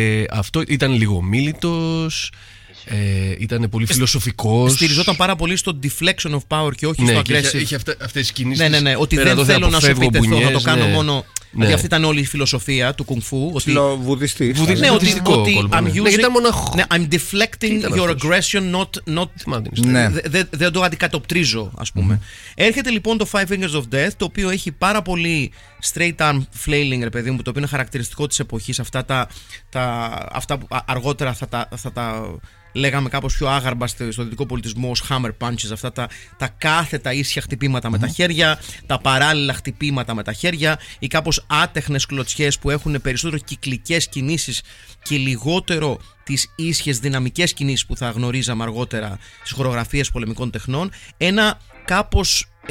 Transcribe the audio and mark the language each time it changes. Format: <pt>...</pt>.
<el>Αυτό ήταν λίγο μίλητος. Ήταν πολύ φιλοσοφικός. Στηριζόταν πάρα πολύ στο</el> <en>deflection of power</en> <el>και όχι στο</el> <en>aggressive.</en> <el>Είχε αυτές τις κινήσεις. Ναι. Ότι δεν θέλω να σου επιτεθώ, θα το κάνω μόνο. Ναι. Γιατί αυτή ήταν όλη η φιλοσοφία του Kung Fu. Φιλοβουδιστή. Ναι, βουδιστικό. Ότι</el> <en>I'm using. I'm deflecting your aggression, not.</en> <el>Δεν το αντικατοπτρίζω, ας πούμε. Έρχεται λοιπόν το Five Fingers of Death, το οποίο έχει πάρα πολύ</el> <en>straight arm flailing,</en> <el>ρε παιδί μου, το οποίο είναι χαρακτηριστικό της εποχής. Αυτά που αργότερα θα τα λέγαμε κάπως πιο άγαρμα στο δυτικό πολιτισμό ως</el> <en>hammer punches,</en> <el>αυτά τα κάθετα ίσια χτυπήματα με τα χέρια, τα παράλληλα χτυπήματα με τα χέρια, οι κάπως άτεχνες κλωτσιές που έχουν περισσότερο κυκλικές κινήσεις και λιγότερο τις ίσιες δυναμικές κινήσεις που θα γνωρίζαμε αργότερα στις χορογραφίες πολεμικών τεχνών, ένα κάπως</el>